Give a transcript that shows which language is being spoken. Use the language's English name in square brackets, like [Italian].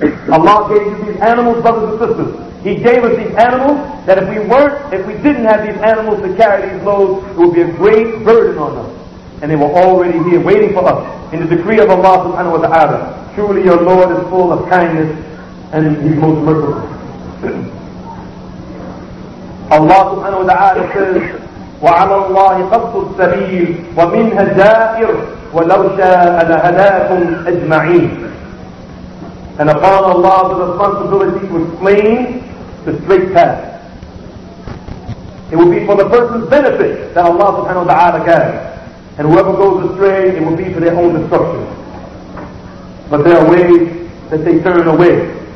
[English] Allah gave you these animals, brothers and sisters. He gave us these animals that if we didn't have these animals to carry these loads, it would be a great burden on us. And they were already here waiting for us in the decree of Allah subhanahu wa ta'ala. Truly your Lord is full of kindness and He's most merciful. Allah subhanahu wa ta'ala says, [Arabic] وَعَلَى اللَّهِ قَصُّ السَّبِيلِ وَمِنْهَا جَائِرٌ وَلَوْ شَاءَ لَهَدَاكُمْ أَجْمَعِينَ. [English] And upon Allah the responsibility to explain the straight path. It will be for the person's benefit that Allah subhanahu wa ta'ala gave. And whoever goes astray, it will be for their own destruction. But there are ways that they turn away.